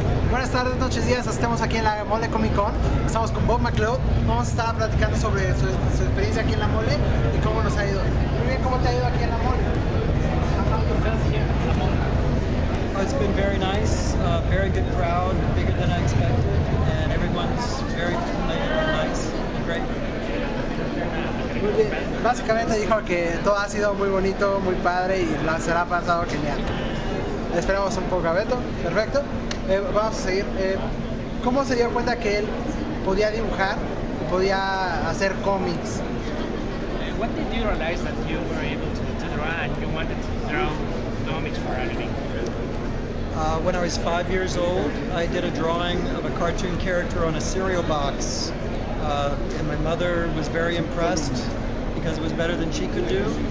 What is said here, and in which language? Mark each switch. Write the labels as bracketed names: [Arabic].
[Spanish] Buenas tardes, noches, días. Estamos aquí en la Mole Comic Con. Estamos con Bob McLeod. Vamos a estar platicando sobre su experiencia aquí en la Mole y cómo nos ha ido. Muy bien, ¿cómo te ha ido aquí en la Mole? [English] It's been very nice, very good crowd, bigger than I expected, and everyone's very friendly and nice and great. [Spanish] Muy bien. Básicamente dijo que todo ha sido muy bonito, muy padre y la será pasado genial. Esperamos un poco a Beto. Perfecto. Vamos a seguir. ¿Cómo se dio cuenta que él podía dibujar, podía hacer cómics? [English] When did you realize that you were able to draw and you wanted to draw comics for anime? When I was 5 years old, I did a drawing of a cartoon character on a cereal box. And my mother was very impressed because it was better than she could do.